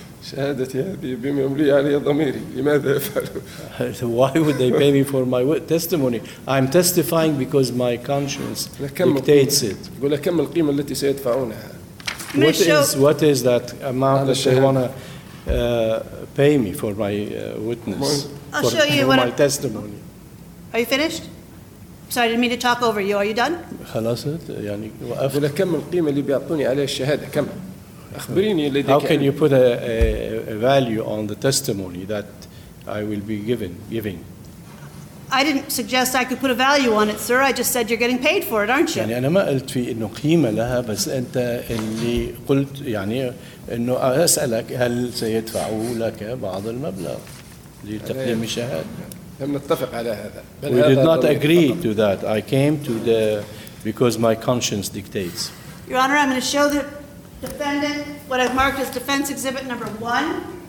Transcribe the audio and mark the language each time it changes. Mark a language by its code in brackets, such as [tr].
[ar] شهادتي هذه بما يملي علي ضميري لماذا أفعل؟ [en] Why would they pay me for my testimony? I'm testifying because my conscience dictates it. [ar] قل كم القيمة التي سيدفعونها؟ [en] What is that amount that they want to pay me for my witness? I'll show you my testimony. Are you finished? Sorry, I didn't mean to talk over you. Are you done? [ar] خلصت يعني. قل كم القيمة اللي بيعطوني عليها الشهادة كم؟ [en] How can you put a value on the testimony that I will be giving? I didn't suggest I could put a value on it, sir. I just said you're getting paid for it, aren't you? [ar] يعني أنا ما قلت في إنه قيمة لها بس أنت اللي قلت يعني إنه أسألك هل سيدفعوا لك بعض المبلغ لتقديم الشهادة؟ لم نتفق على هذا. [en] We did not agree to that. I came to the because my conscience dictates. Your Honor, I'm going to show the defendant, what I've marked as defense exhibit number one.